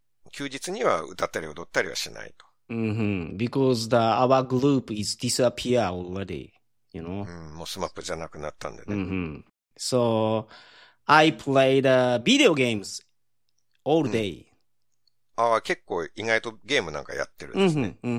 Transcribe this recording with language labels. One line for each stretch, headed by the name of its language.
Japanese: 休日には歌ったり踊ったりはしないと。 Mm-hmm.
English: Because the our group is disappear already, you know.
Japanese: もうスマップじゃなくなったんでね。 Mm-hmm.
English: So I play the video games all day.、
Japanese: うん、ああ、結構意外とゲームなんかやってるんですね。